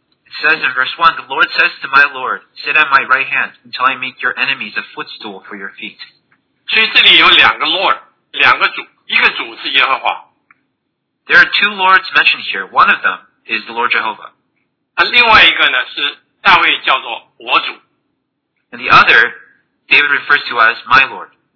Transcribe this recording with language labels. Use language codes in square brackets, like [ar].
[en] It says in verse 1, the Lord says to my Lord, sit at my right hand until I make your enemies a footstool for your feet. [zh] 所以这里有两个 Lord, 两个主，一个主是耶和华。 [en] There are two Lords mentioned here. One of them is the Lord Jehovah. [zh] 另外一个呢是大卫叫做我主。 And the other, David refers to as my Lord.